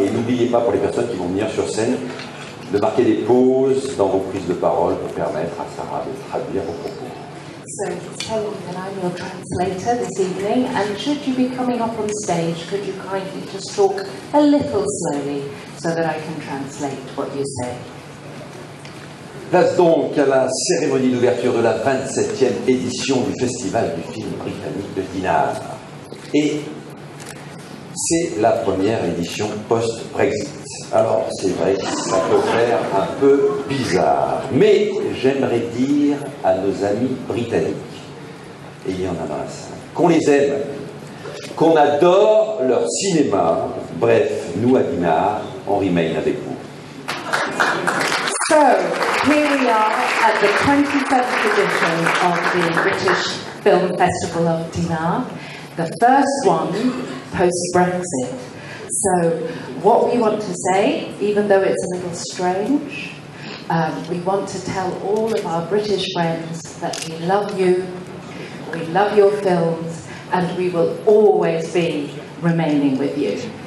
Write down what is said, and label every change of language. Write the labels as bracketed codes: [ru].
[fr] Et n'oubliez pas pour les personnes qui vont venir sur scène de marquer des pauses dans vos prises de parole pour permettre à Sarah de traduire vos propos. [en] So, just tell me that I'm your translator this evening. And should you be coming up on stage, could you kindly just talk a little slowly so that I can translate what you say? [fr] Place donc à la cérémonie d'ouverture de la 27e édition du Festival du film britannique de Dinard. Et c'est la première édition post-Brexit. Alors, c'est vrai que ça peut faire un peu bizarre. Mais j'aimerais dire à nos amis britanniques, et il y en a dans la salle, qu'on les aime, qu'on adore leur cinéma. Bref, nous à Dinard, on remain avec vous. [en] Here we are at the 21st edition of the British Film Festival of Dinard, the first one post-Brexit. So what we want to say, even though it's a little strange, we want to tell all of our British friends that we love you, we love your films, and we will always be remaining with you.